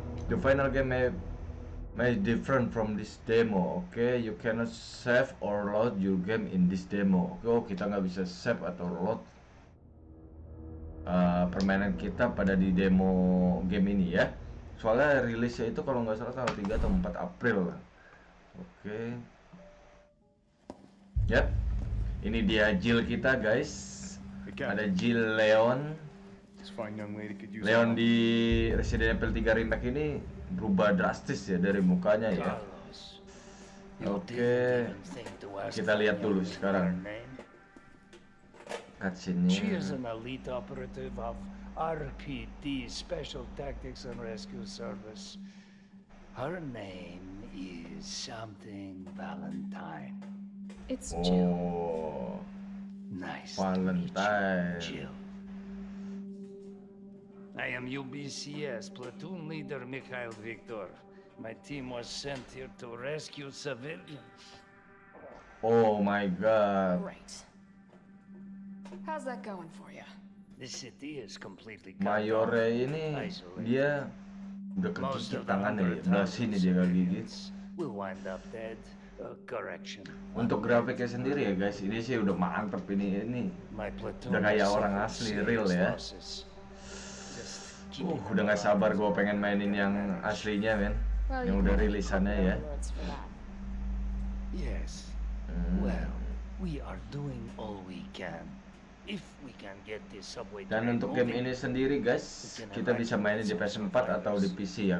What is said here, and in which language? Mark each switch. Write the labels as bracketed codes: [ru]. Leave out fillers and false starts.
[en] The final game may different from this demo. Okay, you cannot save or load your game in this demo. [id] Okay, oh, kita nggak bisa save atau load permainan kita pada di demo game ini ya. Soalnya rilisnya itu kalau nggak salah tanggal 3 atau 4 April. [en] Okay. [id] Yap, ini dia Jill kita guys. Ada Jill Leon. Leon di Resident Evil 3 Remake ini berubah drastis ya dari mukanya ya. Oke, kita lihat dulu sekarang. Cutscene-nya. [en] She is an elite operative of RPD Special Tactics and Rescue Service. Her name is something Valentine. It's Jill. Oh, nice. Valentine. Jill. I am UBCS platoon leader Mikhail Viktor. My team was sent here to rescue civilians. Oh my God. Great. How's that going for you? The city is completely [id] Mayore ini dia udah kejut tangannya ya. Nah, sini dia enggak gigit. [en] We wind up dead. Correction. [id] Untuk grafiknya sendiri ya guys, ini sih udah mantep ini. Udah kayak orang asli, real ya. Udah gak sabar gue pengen mainin yang aslinya men. Yang udah rilisannya ya. [en] Yes. Well, we are doing all we can. If we can get this subway. [id] Dan untuk game ini sendiri guys, kita bisa mainin di PS4 atau di PC ya.